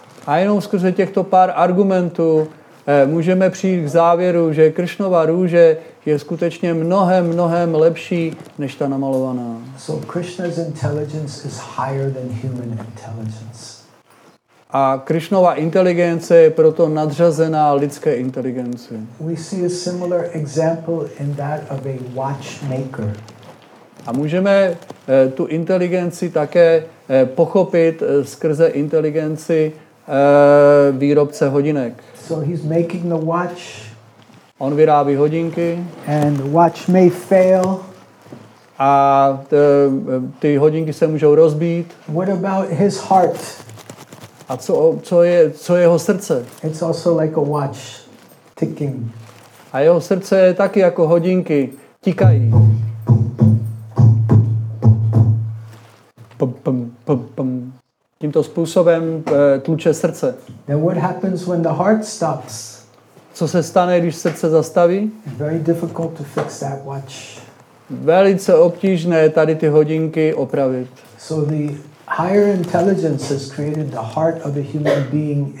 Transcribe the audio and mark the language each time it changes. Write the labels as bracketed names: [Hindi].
[Czech] A jenom skrze těchto pár argumentů můžeme přijít k závěru, že Krišnova růže je skutečně mnohem, mnohem lepší než ta namalovaná. [English] So Krishna's intelligence is higher than human intelligence. [Czech] A Krišnova inteligence je proto nadřazená lidské inteligenci. [English] We see a similar example in that of a watchmaker. [Czech] A můžeme tu inteligenci také pochopit skrze inteligenci výrobce hodinek. [English] So he's making the watch. [Czech] On vyrábí hodinky. [English] And the watch may fail. [Czech] A ty hodinky se můžou rozbít. [English] What about his heart? [Czech] A co je jeho srdce? [English] It's also like a watch ticking. [Czech] A jeho srdce je taky jako hodinky, tikají. Pum, pum, pum, pum. Tímto způsobem tluče srdce. [English] Then what happens when the heart stops? [Czech] Co se stane, když srdce zastaví? [English] Very difficult to fix that watch. [Czech] Velice obtížné tady ty hodinky opravit. [English] So the higher intelligence has created the heart of a human being.